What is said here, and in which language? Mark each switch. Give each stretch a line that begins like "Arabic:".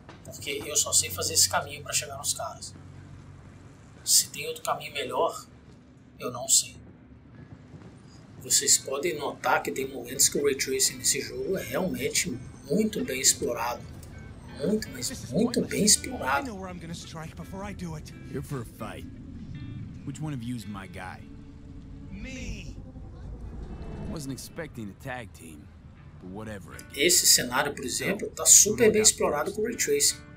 Portuguese: Porque eu só sei fazer esse caminho para chegar nos caras. Se tem outro caminho melhor, eu não sei. Vocês podem notar que tem momentos que o Ray Tracing nesse jogo é realmente muito bem explorado. Muito, mas muito bem explorado. Eu sei onde eu vou strike antes de eu fazer isso. Aqui para uma luta.
English: Which one of you is my guy? Me. Wasn't expecting a tag team, but whatever.
Portuguese: Esse cenário, por exemplo, tá super bem explorado com o Ray Tracing.